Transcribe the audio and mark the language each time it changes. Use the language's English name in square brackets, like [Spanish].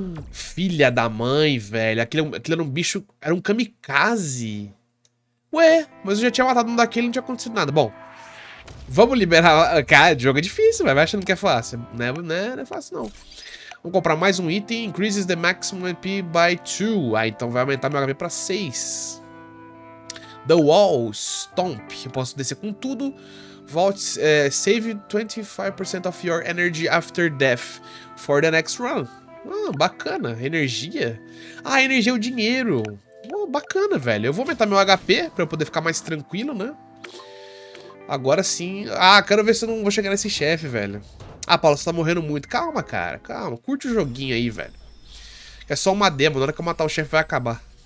[Portuguese] Filha da mãe, velho. Aquilo era um bicho... Era um kamikaze. Ué, mas eu já tinha matado um daquele e não tinha acontecido nada. Bom, vamos liberar... Cara, jogo é difícil, velho. Vai achando que é fácil. Não é fácil, não. Vamos comprar mais um item. [English] Increases the maximum MP by 2. [Portuguese] Ah, então vai aumentar meu HP pra 6. The Wall Stomp. Eu posso descer com tudo. [English] Vault, save 25% of your energy after death for the next run. [Portuguese] Bacana. Energia. Ah, energia é o dinheiro. Bacana, velho. Eu vou aumentar meu HP pra eu poder ficar mais tranquilo, né? Agora sim. Ah, quero ver se eu não vou chegar nesse chefe, velho. Ah, Paulo, você tá morrendo muito. Calma, cara. Calma. Curte o joguinho aí, velho. É só uma demo. Na hora que eu matar o chefe, vai acabar.